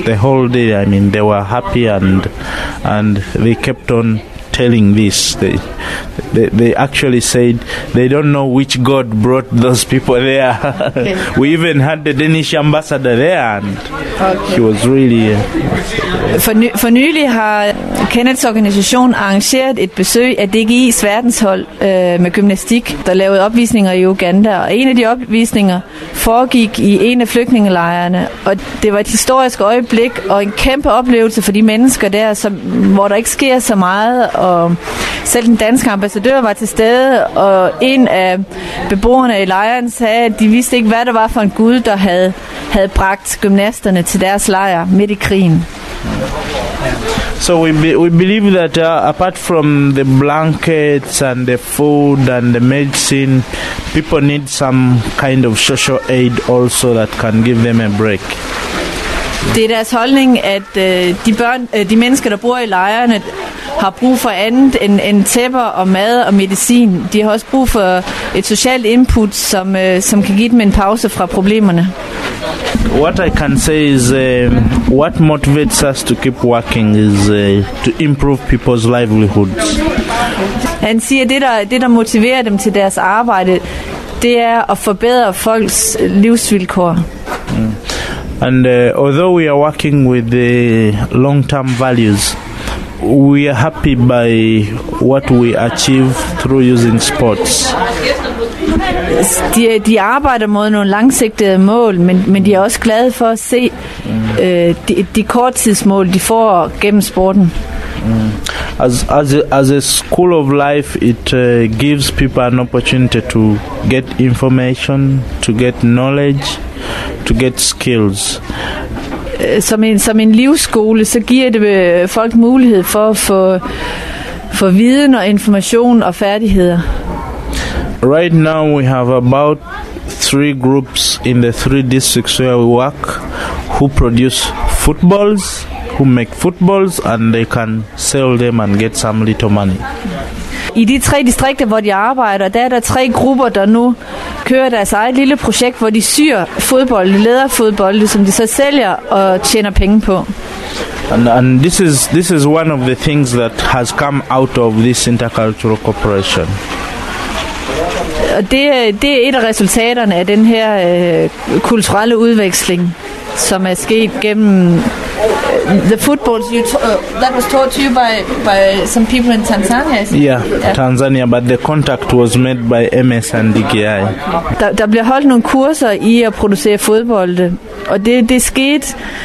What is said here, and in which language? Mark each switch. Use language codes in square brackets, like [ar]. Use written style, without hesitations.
[en] The whole day, I mean, they were happy and they kept on telling this. They actually said they don't know which God brought those people there. Okay. We even had the Danish ambassador there, and okay. He was really... [da] For nylig har Kenneths organisation arrangeret et besøg af DGI's verdenshold med gymnastik, der lavede opvisninger i Uganda. Og en af de opvisninger foregik i en af flygtningelejrene, og det var et historisk øjeblik og en kæmpe oplevelse for de mennesker der, som, hvor der ikke sker så meget. Og selv den danske ambassadør var til stede, og en af beboerne i lejren sagde, at de vidste ikke, hvad det var for en gud, der havde bragt gymnasterne til deres lejr midt i krigen. [en] So we believe that apart from the blankets and the food and the medicine, people need some kind of social aid also that can give them a break. [da] Det er deres holdning, at de mennesker, der bor i lejrene, har brug for andet end tæpper og mad og medicin. De har også brug for et socialt input, som kan give dem en pause fra problemerne. [en] What I can say is what motivates us to keep working is to improve people's livelihoods. [da] Han siger, at det der motiverer dem til deres arbejde, det er at forbedre folks livsvilkår. Mm. [en] And although we are working with the long-term values, we are happy by what we achieve through using sports. [da] De arbejder mod nogle langsigtede mål, men de er også glade for at se de korttidsmål, de får gennem sporten. [en] As a school of life, it gives people an opportunity to get information, to get knowledge, to get skills. [da] Som en livsskole, så giver det folk mulighed for at få viden og information og færdigheder. [en] Right now we have about three groups in the three districts where we work who produce footballs, who make footballs, and they can sell them and get some little money. [da] I de tre distrikter, hvor de arbejder, der er der tre grupper, der nu kører deres eget lille projekt, hvor de syr fodbold, læderfodbold, som de så sælger og tjener penge på. [en] And this is one of the things that has come out of this intercultural cooperation. [da] Og det er et af resultaterne af den her kulturelle udveksling, som er sket gennem [en] the footballs that was taught to you by some people in Tanzania. Yeah, Tanzania, but the contact was made by MS and DGI. [da] Der bliver holdt nogle kurser i at producere fodbolde, og det skete.